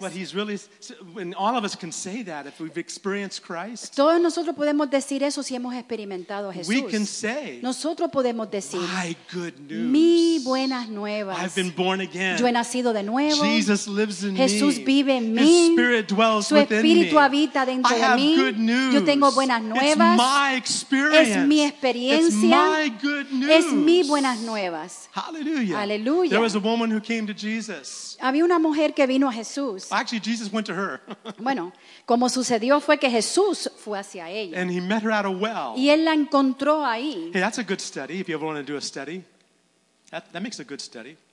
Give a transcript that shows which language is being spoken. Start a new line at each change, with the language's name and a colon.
English: But he's really, and all of us can say that if we've experienced Christ.
Spanish: Todos nosotros podemos decir eso si hemos experimentado a Jesús.
English: We can say.
Spanish: Nosotros podemos decir.
English: My good news.
Spanish: Mi buenas nuevas.
English: I've been born again.
Spanish: Yo he nacido de nuevo.
English: Jesus lives in
Spanish: Jesús
English: me.
Spanish: Vive en mí.
English: His spirit dwells within me.
Spanish: Habita dentro
English: I
Spanish: de
English: have
Spanish: mí.
English: Good news.
Spanish: Yo tengo buenas nuevas.
English: It's my experience.
Spanish: Es mi experiencia.
English: It's my good news.
Spanish: Es mi buenas nuevas.
English: Hallelujah.
Spanish: Hallelujah.
English: There was a woman who came to Jesus.
Spanish: Había una mujer que vino a Jesús.
English: Actually, Jesus went to her.
Spanish: Bueno, como sucedió fue que Jesús fue hacia ella.
English: And he met her at a well.
Spanish: Y él la encontró ahí.
English: Hey, that's a good study. If you ever want to do a study, that makes a good study.